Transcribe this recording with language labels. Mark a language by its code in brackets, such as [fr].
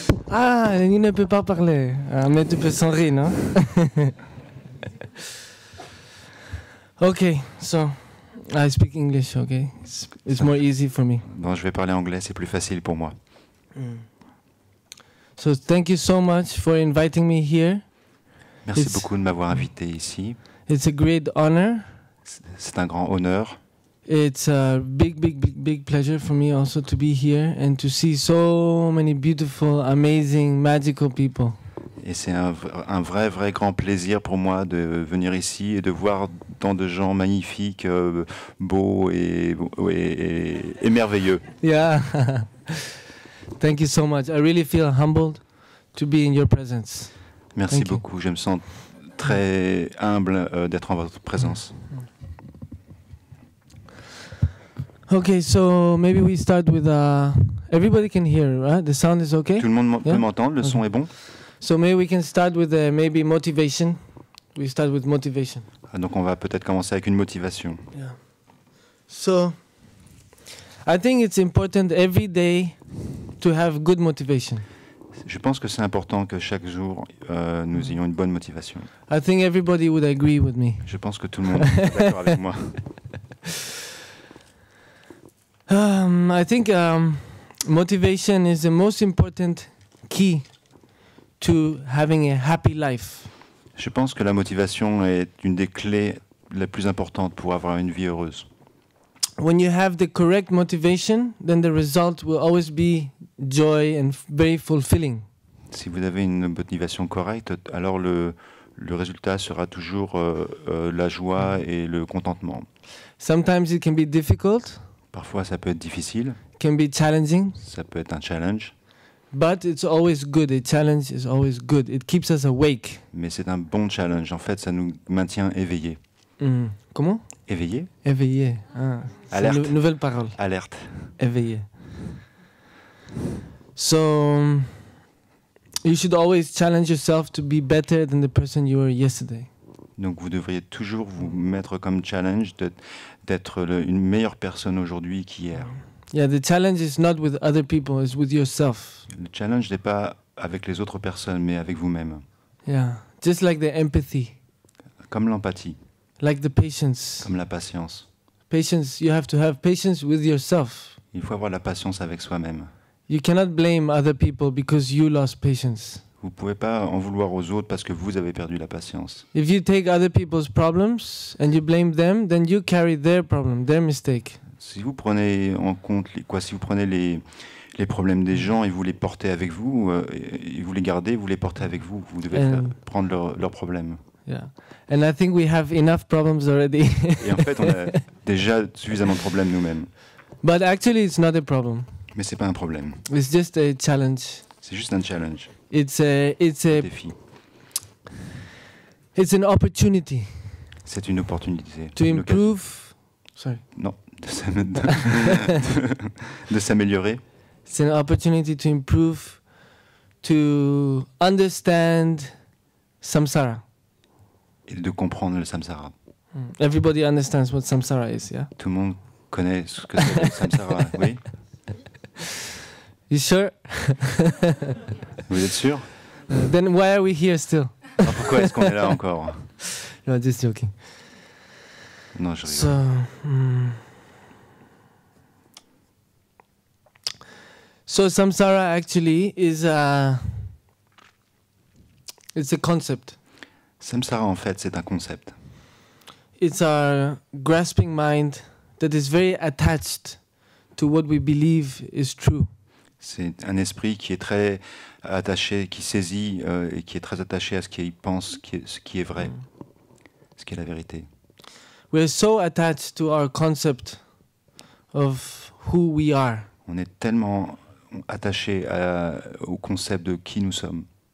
[fr] Ah, le Nyungne ne peut pas parler. Ah, mais tu peux s'en rire, non? [en] Ok, so, I speak English, ok? It's more easy for me. [fr] Non, je vais parler anglais, c'est plus facile pour moi. [en] So, thank you so much for inviting me here. [fr] Merci beaucoup de m'avoir invité ici. [en] It's a great honor. [fr] C'est un grand honneur. [en] It's a big, big, big, big pleasure for me also to be here and to see so many beautiful, amazing, magical people. [fr] Et c'est un vrai, vrai grand plaisir pour moi de venir ici et de voir tant de gens magnifiques, beaux et merveilleux. [en] Yeah. Thank you so much. I really feel humbled to be in your presence. [fr] Merci [en] Thank [fr] beaucoup. [en] You. [fr] Je me sens très humble d'être en votre présence. [en] Okay, so maybe we start with everybody can hear, right? The sound is okay. [fr] Tout le monde peut m'entendre. Le son est bon. [en] So maybe we can start with maybe motivation. We start with motivation. [fr] Ah, donc on va peut-être commencer avec une motivation. [en] Yeah. So I think it's important every day to have good motivation. [fr] Je pense que c'est important que chaque jour nous ayons une bonne motivation. [en] I think everybody would agree with me. [fr] Je pense que tout le monde est d'accord avec moi. [en] I think motivation is the most important key to having a happy life. [fr] Je pense que la motivation est une des clés les plus importantes pour avoir une vie heureuse. [en] When you have the correct motivation, then the result will always be joy and very fulfilling. [fr] Si vous avez une motivation correcte, alors le résultat sera toujours la joie et le contentement. [en] Sometimes it can be difficult. [fr] Parfois ça peut être difficile. [en] Can be challenging. [fr] Ça peut être un challenge. [en] But it's always good. A challenge is always good. It keeps us awake. [fr] Mais c'est un bon challenge. En fait, ça nous maintient éveillés. Mm. Comment? Éveillé. Éveillé. Ah. Alerte. C'est nouvelle parole. Alerte. Éveillé. [en] So, you should always challenge yourself to be better than the person you were yesterday. [fr] Donc, vous devriez toujours vous mettre comme challenge d'être une meilleure personne aujourd'hui qu'hier. [en] Yeah, the challenge is not with other people, it's with yourself. [fr] Le challenge n'est pas avec les autres personnes, mais avec vous-même. [en] Yeah, just like the empathy. [fr] Comme l'empathie. [en] Like the patience. [fr] Comme la patience. [en] Patience, you have to have patience with yourself. [fr] Il faut avoir la patience avec soi-même. [en] You cannot blame other people because you lost patience. [fr] Vous pouvez pas en vouloir aux autres parce que vous avez perdu la patience. [en] If you take other people's problems and you blame them, then you carry their problem, their mistake. [fr] Si vous prenez en compte quoi, si vous prenez les problèmes des gens et vous les portez avec vous, et vous les gardez, vous les portez avec vous, vous devez prendre leurs problèmes. [en] Yeah. And I think we have enough problems already. [fr] Et en fait, on a déjà suffisamment de problèmes nous-mêmes. [en] But actually, it's not a problem. [fr] Mais c'est pas un problème. [en] It's just a challenge. [fr] C'est juste un challenge. [en] It's a [fr] défi. [en] It's an opportunity. [fr] C'est une opportunité. [en] To improve. Sorry. [fr] Non. De s'améliorer. [en] It's an opportunity to improve, to understand samsara. [fr] Et de comprendre le samsara. [en] Everybody understands what samsara is, yeah? [fr] Tout le monde connaît ce que c'est le samsara, oui? [en] You sure? [fr] Vous êtes sûr? [en] Then why are we here still? [fr] Alors pourquoi est-ce qu'on est là encore? [en] No, just joking. [fr] Non, je rigole. [en] So samsara actually is it's a concept. [fr] Samsara en fait c'est un concept. [en] It's our grasping mind that is very attached to what we believe is true. [fr] C'est un esprit qui est très attaché, qui saisit et qui est très attaché à ce qu'il pense, ce qui est vrai, ce qui est la vérité. [en] We are so attached to our concept of who we are. [fr] On est tellement attaché au concept de qui nous sommes.